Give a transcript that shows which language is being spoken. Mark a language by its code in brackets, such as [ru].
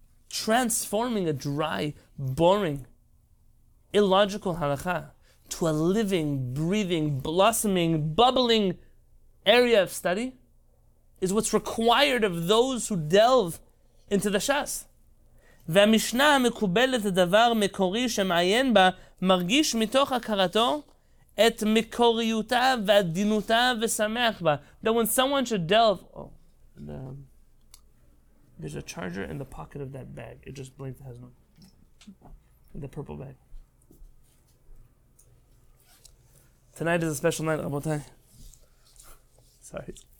[en] transforming a dry, boring, illogical halakha to a living, breathing, blossoming, bubbling area of study is what's required of those who delve into the Shas. [he] והמשנה המקובלת הדבר מקורי שמעיין בה מרגיש מתוך הכרתו את מקוריותה ועדינותה ושמח בה. [en] That when someone should delve... there's a charger in the pocket of that bag. It just blinked. It has no... The purple bag. Tonight is a special night, Rabotai. Sorry.